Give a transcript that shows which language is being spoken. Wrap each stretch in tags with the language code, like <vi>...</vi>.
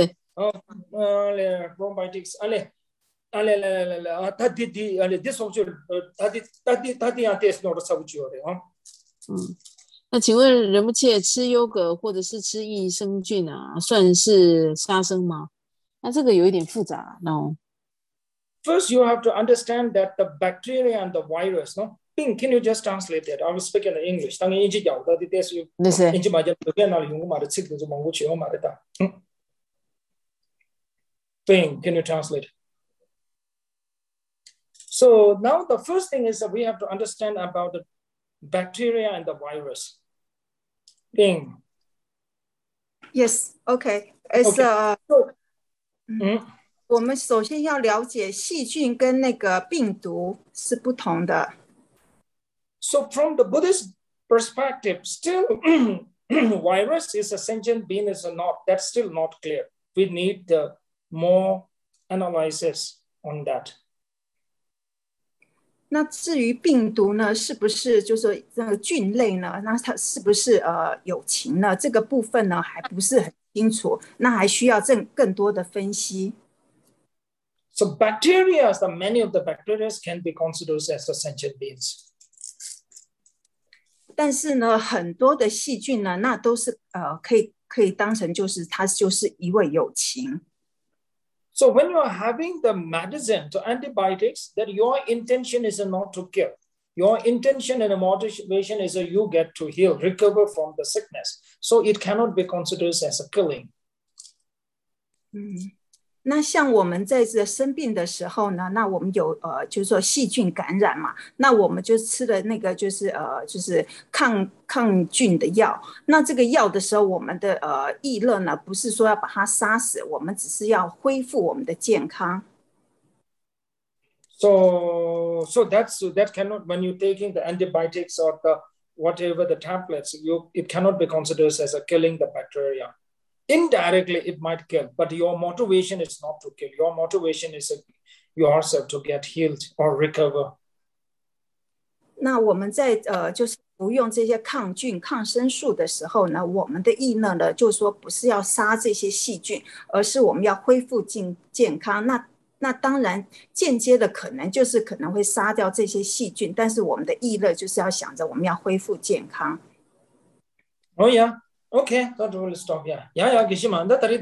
<zh>来 probiotics， 来。那请问仁波切吃优格或者是吃益生菌啊，算是杀生吗？那这个有一点复杂，那</zh> <en>First, you have to understand that the bacteria and the virus, no? Bing, can you just translate that? I was speaking in English. Tang yin ji yao da de su yin ji ma jian de gan na yong ma de chik de zo mong wu qi ma de da. Bing, can you translate? So now the first thing is that we have to understand about the bacteria and the virus. Bing. Yes, okay. It's okay.</en> <zh>我们首先要了解细菌跟那个病毒是不同的。</zh> <en>So from the Buddhist perspective, still virus is a sentient being is not, that's still not clear. We need more analysis on that.</en> <zh>那至于病毒呢，是不是就是这个菌类呢？那它是不是有情呢？这个部分呢还不是很清楚，那还需要更多的分析。</zh> <en>So bacteria, the many of the bacteria can be considered as the sentient beings.</en> <zh>但是呢，很多的细菌呢，那都是可以当成就是它就是一味友情。</zh> <en>So when you are having the medicine, the antibiotics, that your intention is not to kill. Your intention and motivation is that you get to heal, recover from the sickness. So it cannot be considered as a killing.</en> <zh>那像我们在这生病的时候呢，那我们有就是说细菌感染嘛，那我们就吃了那个就是抗菌的药。那这个药的时候，我们的意乐呢，不是说要把它杀死，我们只是要恢复我们的健康。</zh> <en>So that cannot, when you're taking the antibiotics or the whatever the tablets, it cannot be considered as a killing the bacteria. Indirectly, it might kill, but your motivation is not to kill. Your motivation is yourself to get healed or recover.</en> <zh>那我们在就是服用这些抗菌、抗生素的时候呢，我们的意呢，就是说不是要杀这些细菌，而是我们要恢复健康。那当然，间接的可能就是可能会杀掉这些细菌，但是我们的意乐就是要想着我们要恢复健康。</zh> <en>Oh yeah. Okay, that will stop here. Yeah, Kishima, that's it.</en>